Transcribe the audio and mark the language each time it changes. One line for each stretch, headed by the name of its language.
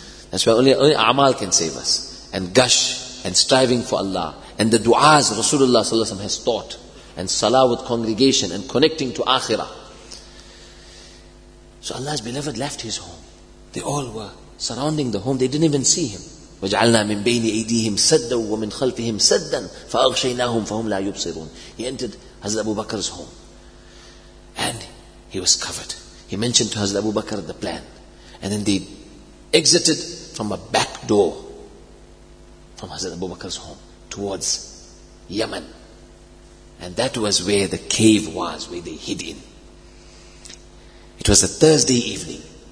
English: That's why only a'mal can save us. And gush and striving for Allah. And the du'as Rasulullah sallallahu alaihi wasallam has taught. And salah with congregation and connecting to akhirah. So Allah's beloved left his home. They all were surrounding the home. They didn't even see him.
Arabic: وَجْعَلْنَا مِنْ بَيْنِ أَيْدِيهِمْ سَدًّا وَمِنْ خَلْفِهِمْ سَدًّا فَأَغْشَيْنَاهُمْ فَهُمْ لَا يُبْصِرُونَ
English: He entered Hazrat Abu Bakr's home. And he was covered. He mentioned to Hazrat Abu Bakr the plan. And then they exited from a back door from Hazrat Abu Bakr's home towards Yemen. And that was where the cave was, where they hid in. It was a Thursday evening.